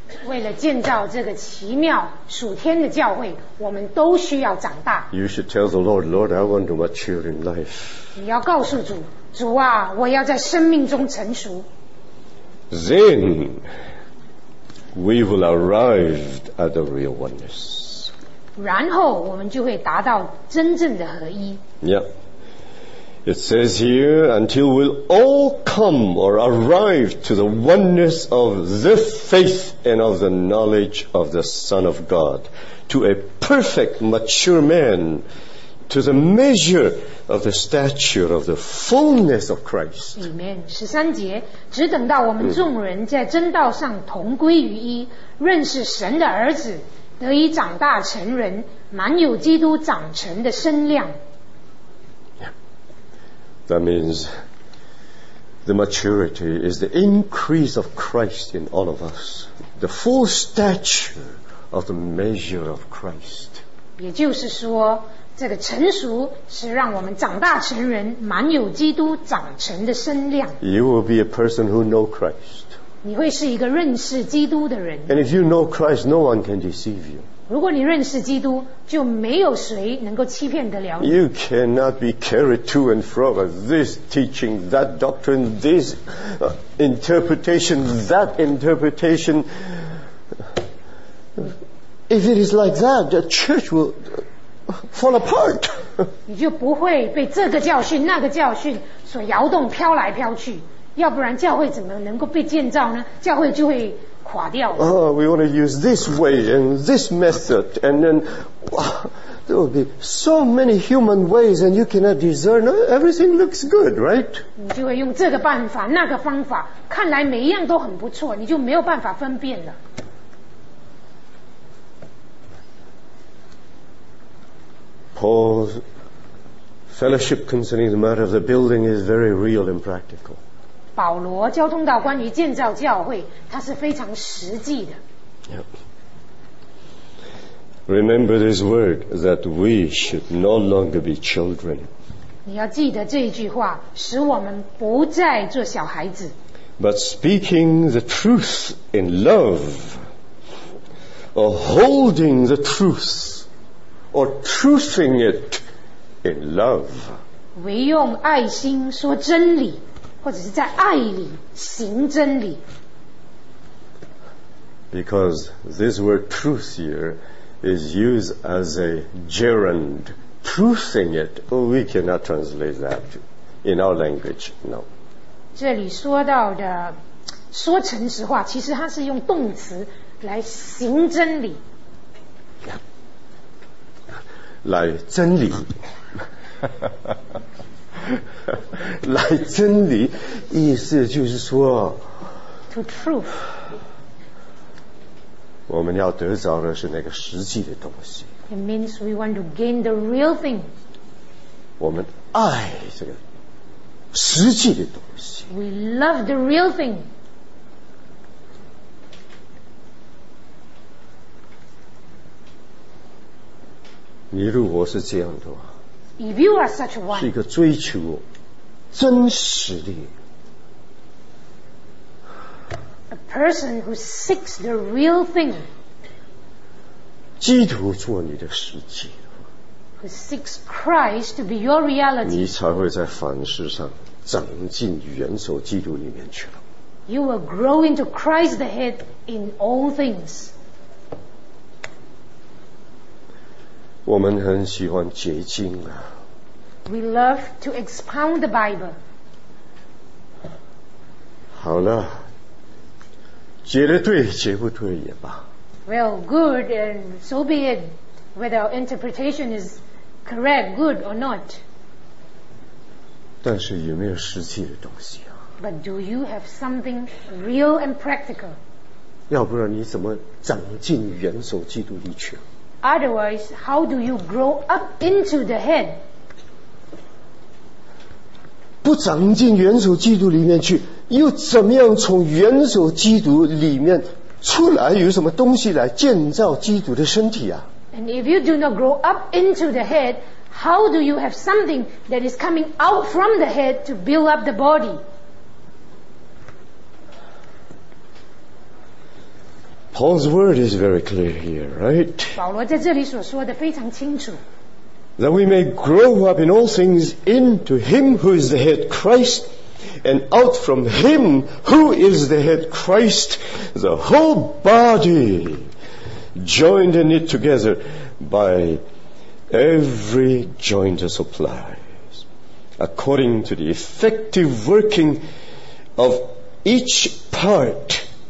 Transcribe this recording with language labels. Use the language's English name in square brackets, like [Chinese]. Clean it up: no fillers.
[Chinese] 为了建造这个奇妙属天的教会，我们都需要长大。 [English] You should tell the Lord, Lord, I want to mature in life. [Chinese] 你要告诉主，主啊，我要在生命中成熟。 [English] Then we will arrive at the real oneness. [Chinese] 然后我们就会达到真正的合一。 [English] Yeah. It says here, until we'll all come or arrive to the oneness of the faith and of the knowledge of the Son of God, to a perfect mature man, to the measure of the stature of the fullness of Christ. Amen. [Chinese] 十三节，只等到我们众人在真道上同归于一，认识神的儿子，得以长大成人，满有基督长成的身量。 [English] Yeah. That means the maturity is the increase of Christ in all of us, the full stature of the measure of Christ. [Chinese] 也就是说这个成熟是让我们长大成人，满有基督长成的身量。 [English] You will be a person who know Christ. [Chinese] 你会是一个认识基督的人。 [English] And if you know Christ, no one can deceive you. [Chinese] 如果你认识基督，就没有谁能够欺骗得了你。 [English] You cannot be carried to and fro by this teaching, that doctrine, this interpretation, that interpretation. If it is like that, the church will fall apart. [Chinese] 你就不会被这个教训、那个教训所摇动、飘来飘去。要不然教会怎么能够被建造呢？教会就会垮掉。 [English] Oh, we want to use this way and this method, and then there will be so many human ways, and you cannot discern. Everything looks good, right? [Chinese] 你就会用这个办法、那个方法，看来每一样都很不错，你就没有办法分辨了。 [English] Paul's fellowship concerning the matter of the building is very real and practical. [Chinese] 保罗交通道关于建造教会，它是非常实际的。 [English] Remember this word that we should no longer be children. [Chinese] 你要记得这一句话，使我们不再做小孩子。 [English] But speaking the truth in love, or holding the truth, or truthing it in love. [Chinese] 唯用爱心说真理。或者是在爱里行真理。 [English] Because this word truth here is used as a gerund, truthing it. Oh, we cannot translate that in our language, no. [Chinese] 这里说到的说诚实话，其实它是用动词来行真理。来真理。来真理，意思就是说 [English] ，to truth， [Chinese] 我们要得着的是那个实际的东西。 [English] It means we want to gain the real thing。 [Chinese] 我们爱这个实际的东西。 [English] We love the real thing。 [Chinese] 你如果是这样的话。 [English] If you are such one, [Chinese] 是一个追求真实的 [English] a person who seeks the real thing, [Chinese] 基督做你的实际 [English] who seeks Christ to be your reality, [Chinese] 你才会在凡事上长进元首基督里面去了 [English] You will grow into Christ the head in all things. [Chinese] 我们很喜欢解经啊。 [English] We love to expound the Bible. [Chinese] 好了，解得对，解不对也罢。 [English] Well, good and so be it. Whether our interpretation is correct, good or not. [Chinese] 但是有没有实际的东西啊 [English] ？But do you have something real and practical? [Chinese] 要不然你怎么长进元首基督里去？ [English] Otherwise, how do you grow up into the head? [Chinese] 不长进元首基督里面去，又怎么样从元首基督里面出来？有什么东西来建造基督的身体啊 [English] ？And if you do not grow up into the head, how do you have something that is coming out from the head to build up the body? 保罗's word is very clear here, right? [Chinese] 保罗在这里所说的非常清楚。 [English] That we may grow up in all things into Him who is the head, Christ, and out from Him who is the head, Christ, the whole body, joined and knit together by every joint that supplies, according to the effective working of each part.